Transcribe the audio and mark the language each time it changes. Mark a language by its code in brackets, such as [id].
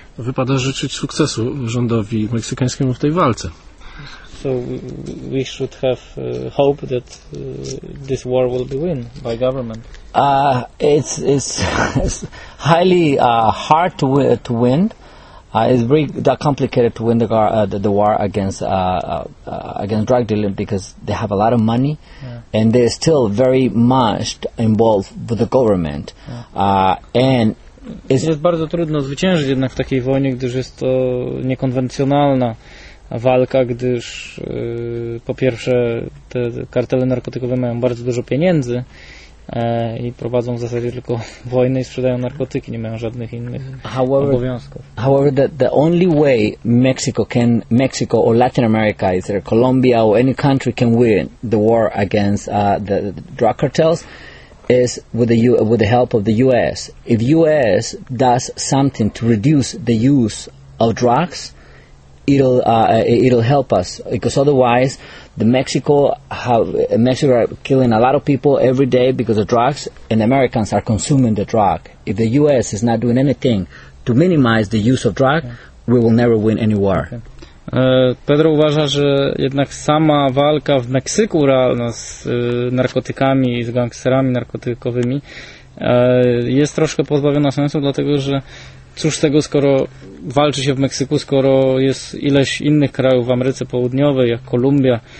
[pl] Wypada życzyć sukcesu rządowi meksykańskiemu w tej walce. [en] so we should have hope that this war will be won by government. It's highly hard to win. It's very complicated to win the war against against drug dealing, because they have a lot of money, and they're still very much involved with the government. And it's [pl] jest bardzo trudno zwyciężyć jednak w takiej wojnie, gdyż jest to niekonwencjonalna walka, gdyż po pierwsze te kartele narkotykowe mają bardzo dużo pieniędzy i prowadzą w zasadzie tylko wojny i sprzedają narkotyki, nie mają żadnych innych obowiązków. [en] However, the only way Mexico or Latin America, is there Colombia or any country can win the war against the drug cartels is with the help of the US. If US does something to reduce the use of drugs, it'll help us, because otherwise Mexico are killing a lot of people every day because of drugs, and Americans are consuming the drug. If the US is not doing anything to minimize the use of drug, we will never win any war. Okay. [pl] Pedro uważa, że jednak sama walka w Meksyku realna z narkotykami i z gangsterami narkotykowymi jest troszkę pozbawiona sensu, dlatego że cóż z tego, skoro walczy się w Meksyku, skoro jest ileś innych krajów w Ameryce Południowej, jak Kolumbia,